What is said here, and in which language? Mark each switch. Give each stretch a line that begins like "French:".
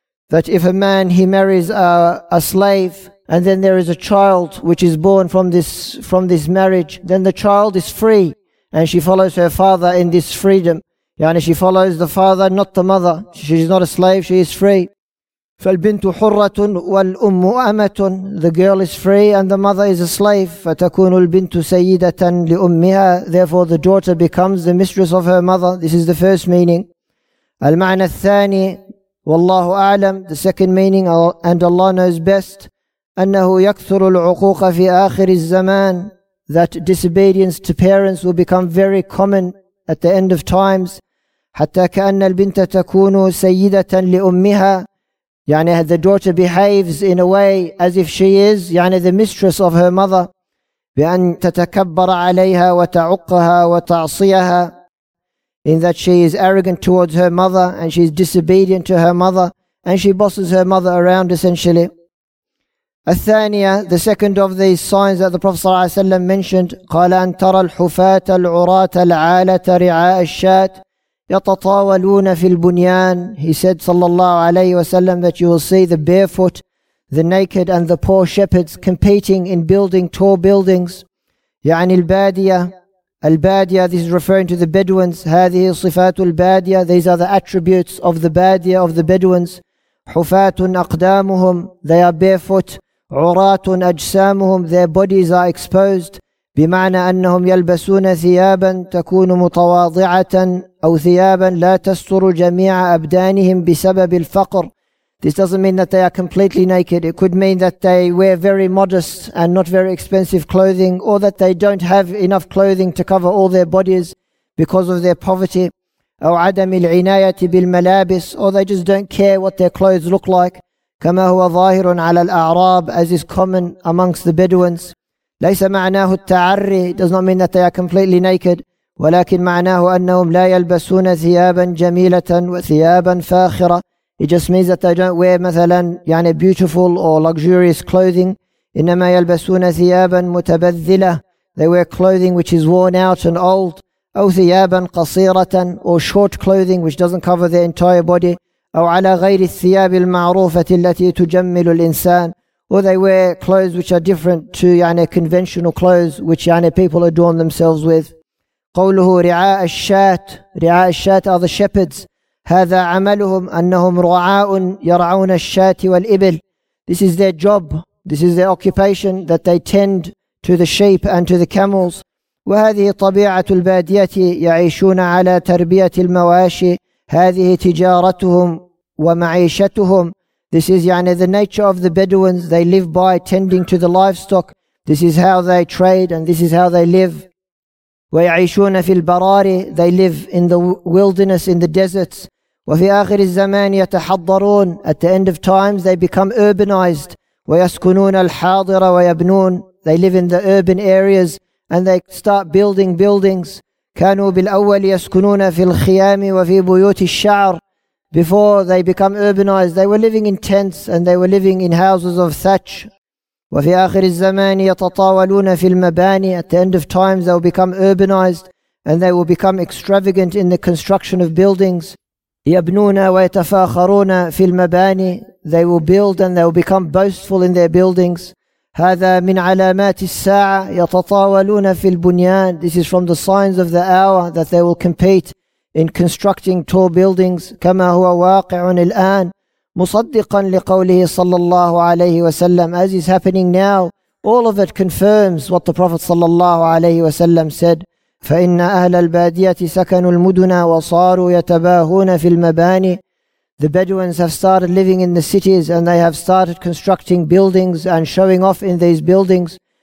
English: That if a man, he marries a slave, and then there is a child which is born from this marriage, then the child is free, and she follows her father in this freedom. Yani she follows the father, not the mother. She is not a slave, she is free.
Arabic: فَالْبِنْتُ حُرَّةٌ وَالْأُمُّ أَمَةٌ.
English: The girl is free and the mother is a slave.
Arabic: فَتَكُونُ الْبِنْتُ سَيِّدَةً لِأُمِّهَا.
English: Therefore the daughter becomes the mistress of her mother. This is the first meaning.
Arabic: المعنى الثاني والله أعلم.
English: The second meaning, and Allah knows best.
Arabic: أنه يكثر العقوق في آخر الزمان.
English: That disobedience to parents will become very common at the end of times.
Arabic: حتى كأن البنت تكون سيدة لأمها.
English: يعني the daughter behaves in a way as if she is, يعني the mistress of her mother.
Arabic: بأن تتكبر عليها وتعقها وتعصيها.
English: In that she is arrogant towards her mother and she is disobedient to her mother and she bosses her mother around essentially.
Arabic: الثانية,
English: the second of these signs that the Prophet
Arabic: صلى الله عليه وسلم mentioned, قال أن ترى الحفاة العراة العالة رعاء الشاة يتطاولون في البنيان.
English: He said صلى الله عليه وسلم that you will see the barefoot, the naked and the poor shepherds competing in building tall buildings.
Arabic: يعني البادية, البادية,
English: this is referring to the Bedouins.
Arabic: هذه صفات البادية,
English: these are the attributes of the بادية, of the Bedouins.
Arabic: حفاة أقدامهم,
English: they are barefoot.
Arabic: عراة أجسامهم,
English: their bodies are exposed.
Arabic: بمعنى أنهم يلبسون ثيابا تكون متواضعة أو ثيابا لا تستر جميع أبدانهم بسبب الفقر.
English: This doesn't mean that they are completely naked. It could mean that they wear very modest and not very expensive clothing, or that they don't have enough clothing to cover all their bodies because of their poverty.
Arabic: أو عدم العناية بالملابس,
English: or they just don't care what their clothes look like.
Arabic: كما هو ظاهر على الأعراب,
English: as is common amongst the Bedouins.
Arabic: ليس معناه التعري,
English: does not mean that they are completely naked,
Arabic: ولكن معناه أنهم لا يلبسون ثيابا جميلة وثيابا فاخرة.
English: It just means that they don't wear مثلا يعني beautiful or luxurious clothing.
Arabic: إنما يلبسون ثيابا متبذلة,
English: they wear clothing which is worn out and old.
Arabic: أو ثيابا قصيرة,
English: or short clothing which doesn't cover their entire body.
Arabic: أو على غير الثياب المعروفة التي تجمل الإنسان.
English: Or they wear clothes which are different to يعني conventional clothes which يعني people adorn themselves with.
Arabic: قوله رعاء الشاة, رعاء الشاة
English: are the shepherds.
Arabic: هذا عملهم أنهم رعاء يرعون الشاة والإبل.
English: This is their job, this is their occupation, that they tend to the sheep and to the camels.
Arabic: وهذه طبيعة البادية يعيشون على تربية المواشي. هذه تجارتهم ومعيشتهم.
English: This is يعني the nature of the Bedouins. They live by tending to the livestock. This is how they trade and this is how they live.
Arabic: ويعيشون في البراري.
English: They live in the wilderness, in the deserts.
Arabic: وفي آخر الزمان يتحضرون.
English: At the end of times, they become urbanized.
Arabic: ويسكنون الحاضرة ويبنون.
English: They live in the urban areas and they start building buildings.
Arabic: كانوا بالأول يسكنون في الخيام وفي بيوت الشعر.
English: Before they become urbanized, they were living in tents and they were living in houses of thatch.
Arabic: وفي آخر الزمان يتطاولون في المباني.
English: At the end of times, they will become urbanized and they will become extravagant in the construction of buildings.
Arabic: يبنون ويتفاخرون في المباني.
English: They will build and they will become boastful in their buildings.
Arabic: هذا من علامات الساعة يتطاولون في البنيان.
English: This is from the signs of the hour that they will compete in constructing tall buildings.
Arabic: كما هو واقع الآن. مصدقا لقوله صلى الله عليه وسلم.
English: As is happening now, all of it confirms what the Prophet صلى الله عليه وسلم said.
Arabic: فإن أهل البادية سكنوا المدن وصاروا يتباهون في المباني.
English: The Bedouins have started living in the cities and they have started constructing buildings and showing off in these buildings.